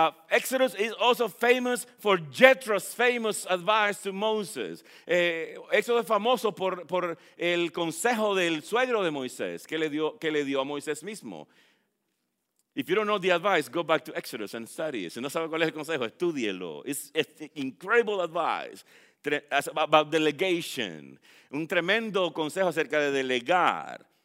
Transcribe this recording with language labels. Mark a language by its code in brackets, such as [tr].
[en] Exodus is also famous for Jethro's famous advice to Moses. [es] Éxodo es famoso por el consejo del suegro de Moisés que le dio a Moisés mismo. [en] If you don't know the advice, go back to Exodus and study it. [es] Si no sabe cuál es el consejo, estúdielo. [en] It's incredible advice about delegation. [es] Un tremendo consejo acerca de delegar.